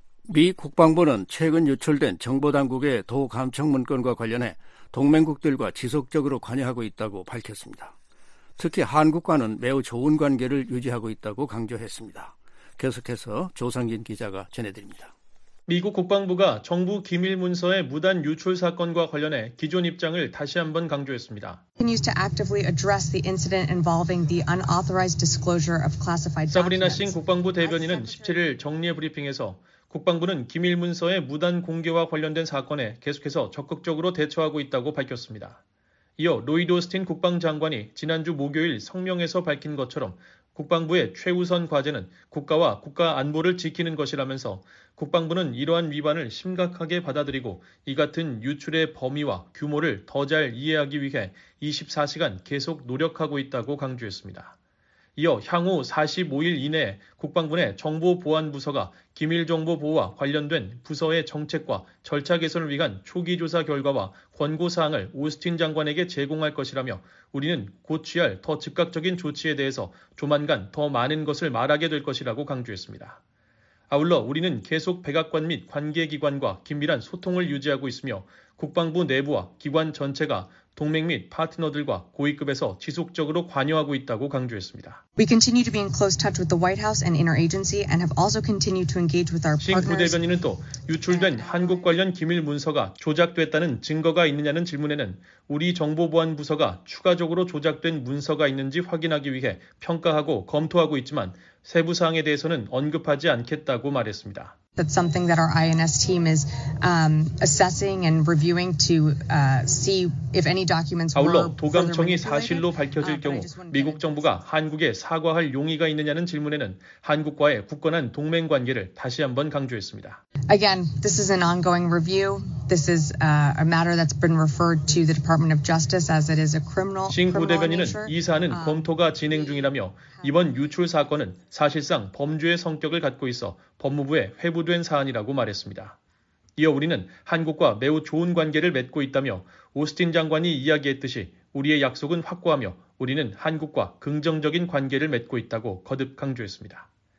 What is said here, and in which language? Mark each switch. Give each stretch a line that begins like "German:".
Korean: 미 국방부는 최근 유출된 정보당국의 도감청 문건과 관련해 동맹국들과 지속적으로 관여하고 있다고 밝혔습니다. 특히 한국과는 매우 좋은 관계를 유지하고 있다고 강조했습니다. 계속해서 조상진 기자가 전해드립니다. 미국 국방부가 정부 기밀 문서의 무단 유출 사건과 관련해 기존 입장을 다시 한번 강조했습니다.
English: Continues to actively address the incident involving the unauthorized disclosure of classified documents.
Korean: 사브리나 싱 국방부 대변인은 17일 정례 브리핑에서 국방부는 기밀 문서의 무단 공개와 관련된 사건에 계속해서 적극적으로 대처하고 있다고 밝혔습니다. 이어 로이드 오스틴 국방장관이 지난주 목요일 성명에서 밝힌 것처럼 국방부의 최우선 과제는 국가와 국가 안보를 지키는 것이라면서 국방부는 이러한 위반을 심각하게 받아들이고 이 같은 유출의 범위와 규모를 더 잘 이해하기 위해 24시간 계속 노력하고 있다고 강조했습니다. 이어 향후 45일 이내에 국방부 내 정보보안부서가 기밀정보보호와 관련된 부서의 정책과 절차 개선을 위한 초기 조사 결과와 권고사항을 오스틴 장관에게 제공할 것이라며 우리는 곧 취할 더 즉각적인 조치에 대해서 조만간 더 많은 것을 말하게 될 것이라고 강조했습니다. 아울러 우리는 계속 백악관 및 관계기관과 긴밀한 소통을 유지하고 있으며 국방부 내부와 기관 전체가 동맹 및 파트너들과 고위급에서 지속적으로 관여하고 있다고 강조했습니다.
English: We continue to be in close touch with the White House and interagency and have also continued to engage with our partners.
Korean: 싱 부대변인은 또 유출된 한국 관련 기밀 문서가 조작됐다는 증거가 있느냐는 질문에는 우리 정보보안부서가 추가적으로 조작된 문서가 있는지 확인하기 위해 평가하고 검토하고 있지만 세부 사항에 대해서는 언급하지 않겠다고 말했습니다.
English: That's something that our INS team is assessing and reviewing to see if any documents were
Korean: 아울러 도감청이 사실로 밝혀질 경우 미국 정부가 한국에 사과할 용의가 있느냐는 질문에는 한국과의 굳건한 동맹 관계를 다시 한번 강조했습니다.
English: Again, this is an ongoing review. This is a matter that's been referred to the Department of Justice as it is a criminal.
Korean: 싱 부대변인은 이 사안은 검토가 진행 중이라며 이번 유출 사건은 사실상 범죄의 성격을 갖고 있어 법무부에 회부된 사안이라고 말했습니다. 이어 우리는 한국과 매우 좋은 관계를 맺고 있다며 오스틴 장관이 이야기했듯이 우리의 약속은 확고하며 우리는 한국과 긍정적인 관계를 맺고 있다고 거듭 강조했습니다.